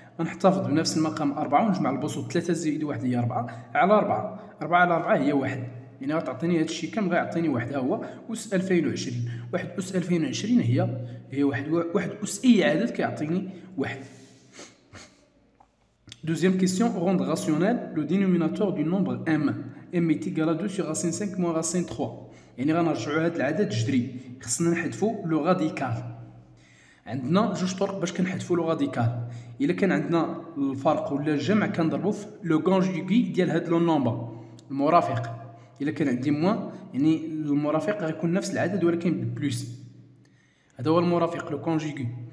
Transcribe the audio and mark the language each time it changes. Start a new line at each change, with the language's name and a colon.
Arabic: غنحتفظ بنفس المقام 4 ونجمع البسط، 3 زائد 1 هي 4 على 4، 4 على 4 هي 1، يعني غتعطيني هاد الشيء كم غيعطيني 1، ها هو أس 2020، 1 أس 2020 هي 1، 1 أس أي عدد كيعطيني 1.
French: Deuxième question, rendre rationnel le dénominateur du nombre m. M est égal à 2 sur racine 5 moins racine 3.
Arabic: يعني غنرجعوا هذا العدد جذري، خصنا نحذفوا لو راديكال. عندنا جوج طرق باش كنحذفوا لو راديكال، الا كان عندنا الفرق ولا الجمع كنضربوا في لو كونجوغي ديال هذا لو نومبر المرافق، الا كان عندي موان يعني المرافق غيكون نفس العدد ولكن بلوس، هذا هو المرافق لو كونجوغي.